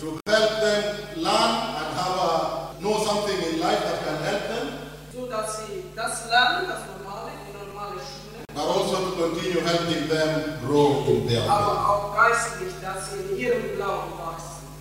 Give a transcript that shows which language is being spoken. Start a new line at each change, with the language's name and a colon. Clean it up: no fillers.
English: To help them learn and know something in life that can help them.
German: So dass sie das lernen, das normale, die normale Schule.
English: But also to continue helping them grow in their faith.
German: Aber auch geistlich, dass sie in ihrem Glauben wachsen.